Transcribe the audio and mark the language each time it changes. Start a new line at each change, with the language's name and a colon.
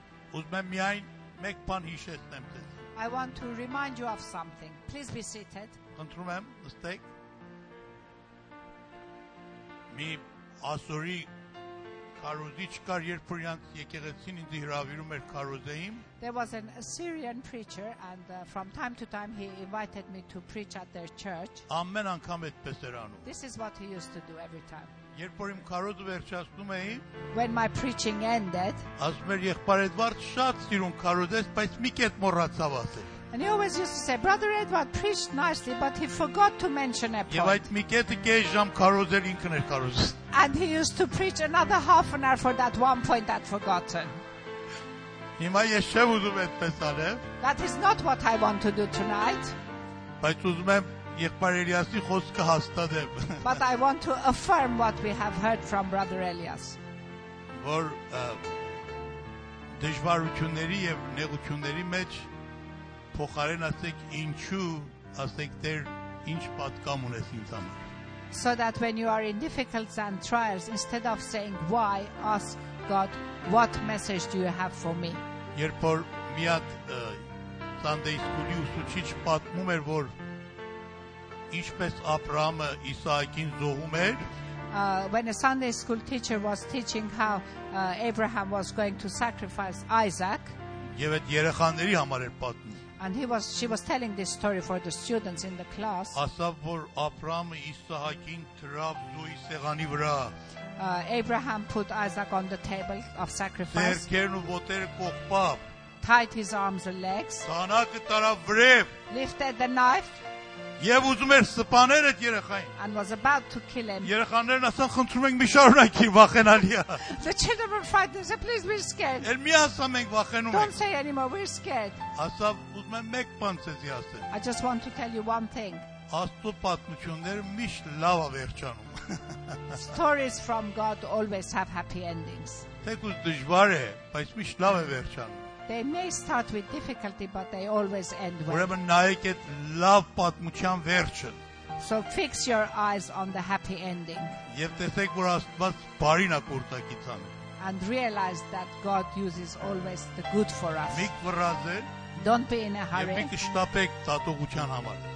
Armenian: ուզում եմ միայն մեկ բան հիշեցնեմ ձեզ.
English: I want to remind you of something. Please be seated.
Armenian: Ընդրում եմ, նստեք. Մի ասորի քարոզիչ կար, երբ որ իրանց եկեղեցին ինձ հրավիրում էր քարոզեին.
English: There was an Assyrian preacher and from time to time he invited me to preach at their church.
Armenian: Ամեն անգամ այդպես էր անում.
English: This is what he used to do every time.
Armenian: Երբ որ իմ քարոզը վերջացնում էի,
English: When my preaching ended,
Armenian: ասում էր եղբայր Էդվարդ, շատ սիրուն քարոզես, բայց մի կետ մոռացավ ասել.
English: And he always used to say, Brother Edward preached nicely, but he forgot to mention a point. And he used to preach another half an hour for that one point that forgotten. That is not what I want to do tonight. But I want to affirm what we have heard from Brother Elias.
Armenian: դժվարությունների եւ նեղությունների մեջ փոխարեն ասեք ինչու ասեք դեր ինչ պատկամ ունես ինձ համար
English: So that when you are in difficulties and trials instead of saying why ask God what message do you have for me
Armenian: Երբ որ մի հատ Sunday school-ի ուսուցիչ պատմում էր որ ինչպես Աբրահամը Իսահակին զոհում էր
English: When a Sunday school teacher was teaching how Abraham was going to sacrifice Isaac
Armenian: եւ այդ երեխաների համար էր պատմում
English: And she was telling this story for the students in the class. Abraham put Isaac on the table of sacrifice. Tied his arms and legs. Lifted the knife. And was about to kill him. The children were frightened. They said, please be scared. Don't say anymore, we're scared. I just want to tell you one thing.
Armenian: Աստծո պատմությունները միշտ լավ է վերջանում.
English: Stories from God always have happy endings.
Armenian: Թեկուզ դժվար է, բայց միշտ լավ է վերջանում.
English: They may start with difficulty, but they always end well.
Armenian: Ուրեմն նայեք այդ լավ պատմության վերջը.
English: So fix your eyes on the happy ending.
Armenian: Եվ տեսեք, որ Աստված բարին է կործակիցանում.
English: And realize that God uses always the good for us.
Armenian: Միք վրազել
English: Don't be in a hurry.